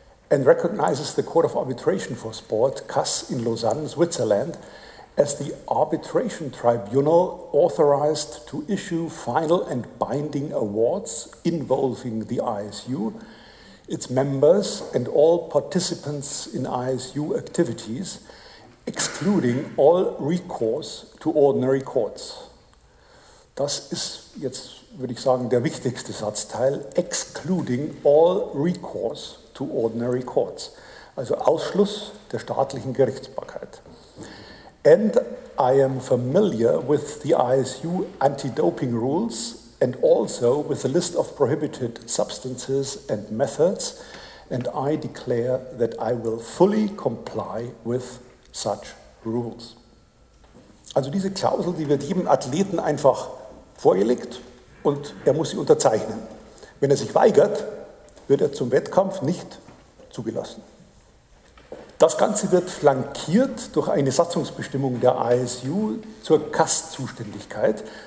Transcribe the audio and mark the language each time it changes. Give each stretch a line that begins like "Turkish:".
English: and recognizes the Court of Arbitration for Sport, CAS, in Lausanne, Switzerland, as the arbitration tribunal authorized to issue final and binding awards involving the ISU, its members, and all participants in ISU activities, excluding all recourse to ordinary courts.
German: Das ist jetzt, würde ich sagen, der wichtigste Satzteil,
English: excluding all recourse to ordinary courts,
German: also Ausschluss der staatlichen Gerichtsbarkeit.
English: And I am familiar with the ISU anti-doping rules and also with a list of prohibited substances and methods, and I declare that I will fully comply with such rules.
German: Also diese Klausel, die wird jedem Athleten einfach vorgelegt und er muss sie unterzeichnen. Wenn er sich weigert, wird er zum Wettkampf nicht zugelassen. Das Ganze wird flankiert durch eine Satzungsbestimmung der ISU zur CAS-Zuständigkeit.